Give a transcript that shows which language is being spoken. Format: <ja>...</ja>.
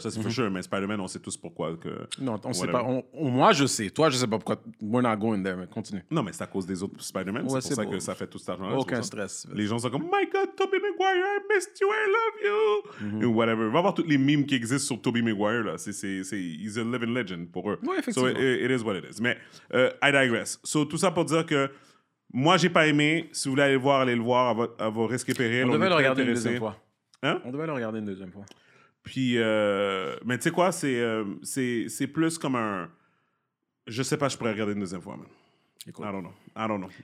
<fr>Ça, c'est</fr> <en>for sure.</en> <fr>Mais Spider-Man, on sait tous pourquoi que... Non, on ne sait pas. Moi, je sais. Toi, je ne sais pas pourquoi...</fr> <en>We're not going there,</en> <fr>mais continue. Non, mais c'est à cause des autres Spider-Man. Ouais, c'est pour ça que ça fait tout cet argent-là. Aucun stress. Les gens sont comme,</fr> <en>my God, Tobey Maguire, I missed you, I love you. Mm-hmm. Whatever.</en> <fr>Va voir toutes les memes qui existent sur Tobey Maguire.</fr> <en>Là. C'est, he's a living legend</en> <fr>pour eux. Oui, effectivement.</fr> <en>So it is what it is. Mais I digress.</en> <fr>So tout ça pour dire que moi, j'ai pas aimé. Si vous voulez aller le voir, allez le voir à vos risques et périls. On devait le regarder une deuxième fois. Hein? On devait le regarder une deuxième fois. Puis, mais tu sais quoi, c'est plus comme un. Je sais pas, je pourrais regarder une deuxième fois, man. Écoute.</fr> <en>I don't know.</en>